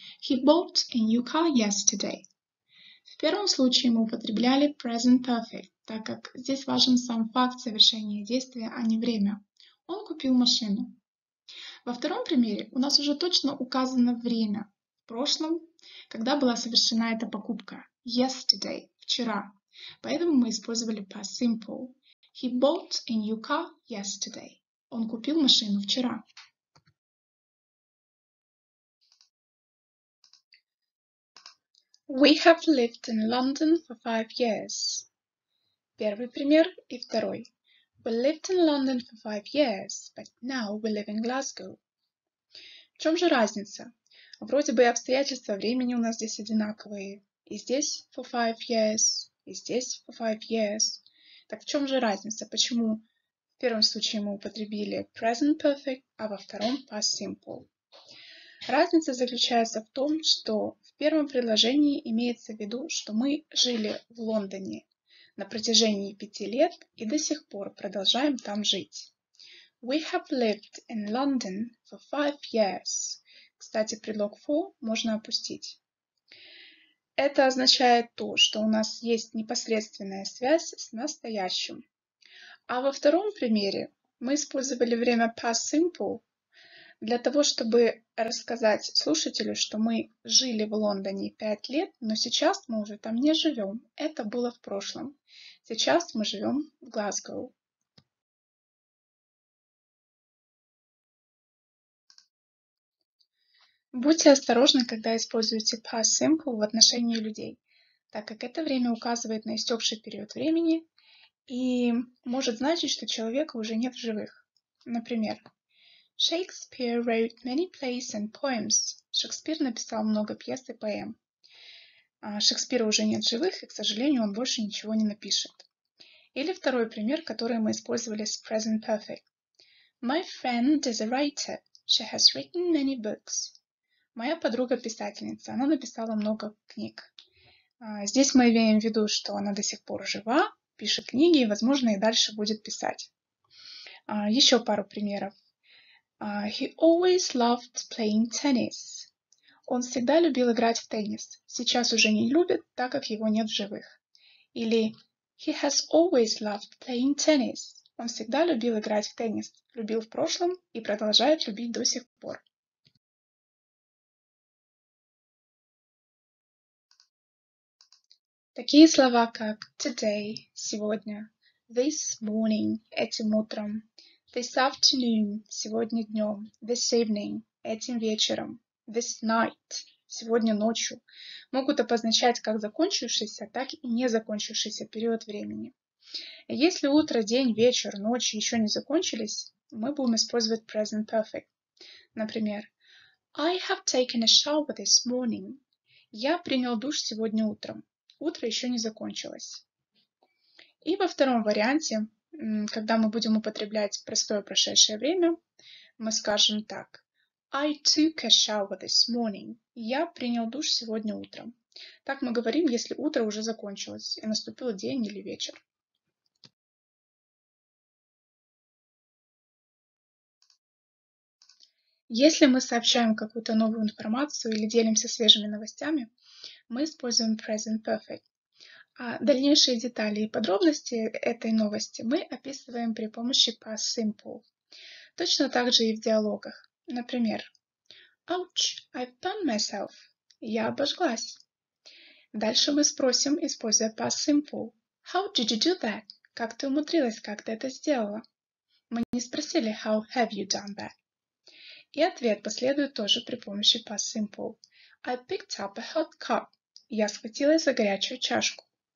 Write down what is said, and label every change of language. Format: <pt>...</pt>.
<en>He bought a new car yesterday.</en> <ru>В первом случае мы употребляли present perfect, так как здесь важен сам факт совершения действия, а не время. Он купил машину. Во втором примере у нас уже точно указано время в прошлом, когда была совершена эта покупка. Yesterday – вчера. Поэтому мы использовали past simple.</ru> <en>He bought a new car yesterday.</en> <ru>Он купил машину вчера.</ru> <en>We have lived in London for 5 years.</en> <ru>Первый пример и второй.</ru> <en>We lived in London for 5 years, but now we live in Glasgow.</en> <ru>В чем же разница? Вроде бы и обстоятельства времени у нас здесь одинаковые. И здесь for 5 years, и здесь for 5 years. Так в чем же разница? Почему в первом случае мы употребили present perfect, а во втором past simple? Разница заключается в том, что в первом предложении имеется в виду, что мы жили в Лондоне на протяжении 5 лет и до сих пор продолжаем там жить.</ru> <en>We have lived in London for 5 years.</en> <ru>Кстати, предлог for можно опустить. Это означает то, что у нас есть непосредственная связь с настоящим. А во втором примере мы использовали время past simple для того, чтобы рассказать слушателю, что мы жили в Лондоне 5 лет, но сейчас мы уже там не живем. Это было в прошлом. Сейчас мы живем в Глазгоу. Будьте осторожны, когда используете past simple в отношении людей, так как это время указывает на истекший период времени и может значить, что человека уже нет в живых. Например,</ru> <en>Shakespeare wrote many plays and poems.</en> <ru>Шекспир написал много пьес и поэм. Шекспира уже нет в живых, и, к сожалению, он больше ничего не напишет. Или второй пример, который мы использовали с present perfect.</ru> <en>My friend is a writer. She has written many books.</en> <ru>Моя подруга-писательница, она написала много книг. Здесь мы имеем в виду, что она до сих пор жива, пишет книги и, возможно, и дальше будет писать. Еще пару примеров.</ru> <en>He always loved playing tennis.</en> <ru>Он всегда любил играть в теннис. Сейчас уже не любит, так как его нет в живых. Или</ru> <en>He has always loved playing tennis.</en> <ru>Он всегда любил играть в теннис. Любил в прошлом и продолжает любить до сих пор. Такие слова, как today, сегодня, this morning, этим утром, this afternoon, сегодня днем, this evening, этим вечером, this night, сегодня ночью, могут обозначать как закончившийся, так и не закончившийся период времени. Если утро, день, вечер, ночь еще не закончились, мы будем использовать present perfect. Например,</ru> <en>I have taken a shower this morning.</en> <ru>Я принял душ сегодня утром. Утро еще не закончилось. И во втором варианте, когда мы будем употреблять простое прошедшее время, мы скажем так.</ru> <en>I took a shower this morning.</en> <ru>Я принял душ сегодня утром. Так мы говорим, если утро уже закончилось и наступил день или вечер. Если мы сообщаем какую-то новую информацию или делимся свежими новостями, мы используем present perfect. А дальнейшие детали и подробности этой новости мы описываем при помощи past simple. Точно так же и в диалогах. Например,</ru> <en>Ouch, I've burned myself.</en> <ru>Я обожглась. Дальше мы спросим, используя past simple.</ru> <en>How did you do that?</en> <ru>Как ты умудрилась, как ты это сделала? Мы не спросили,</ru> <en>how have you done that?</en> <ru>И ответ последует тоже при помощи past simple.</ru> <en>I picked up a hot cup.</en> <ru>Я схватилась за горячую чашку.</ru>